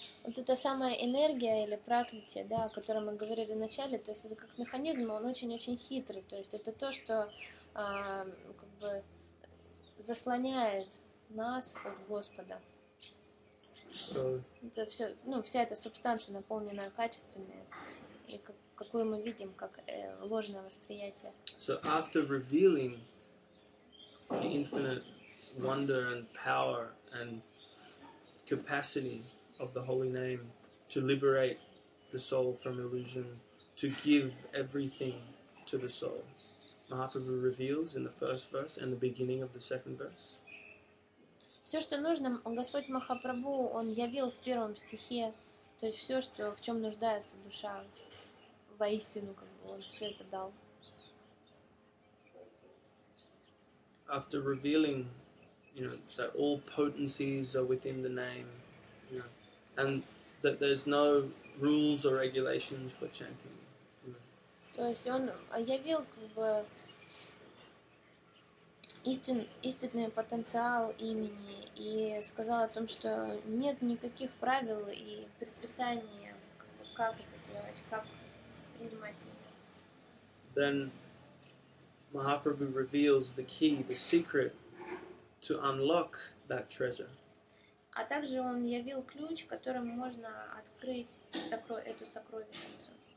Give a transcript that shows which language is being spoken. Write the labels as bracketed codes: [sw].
[ru] Вот эта самая энергия или пракрити, да, о которой мы говорили в начале, то есть это как механизм, он очень-очень хитрый, то есть это то, что как бы заслоняет нас от Господа. [en] So, [ru] это все, ну, вся эта субстанция, наполненная качествами, и какую мы видим, как ложное восприятие. [en] So after revealing the infinite wonder and power and capacity of the Holy Name to liberate the soul from illusion, to give everything to the soul. Mahaprabhu reveals in the first verse and the beginning of the second verse. [ru] Все, что нужно, Господь Махапрабху, он явил в первом стихе, то есть все, что в чем нуждается душа, воистину, как бы он все это дал. [en] After revealing, you know, that all potencies are within the name, you know, and that there's no rules or regulations for chanting. You know. [ru] То есть он явил как бы истинный потенциал имени и сказал о том, что нет никаких правил и предписаний, как это делать, как принимать имя. [en] Then Mahaprabhu reveals the key, the secret to unlock that treasure. [ru] А также он явил ключ, которым можно открыть эту сокровищницу.